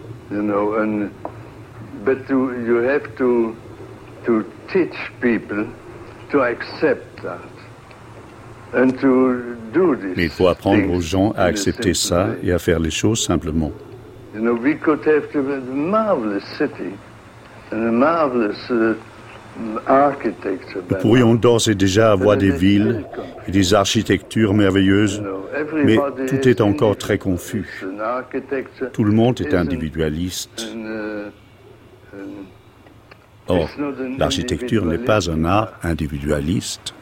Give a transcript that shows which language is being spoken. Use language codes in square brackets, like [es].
[en] You know, you have to teach people to accept that and to do this. [fr] Mais il faut apprendre aux gens à accepter ça et à faire les choses simplement. [en] You know, we could have a marvelous city and a marvelous [fr] nous pourrions d'ores et déjà avoir des villes et des architectures merveilleuses, mais tout est encore très confus. Tout le monde est individualiste. Or, l'architecture n'est pas un art individualiste.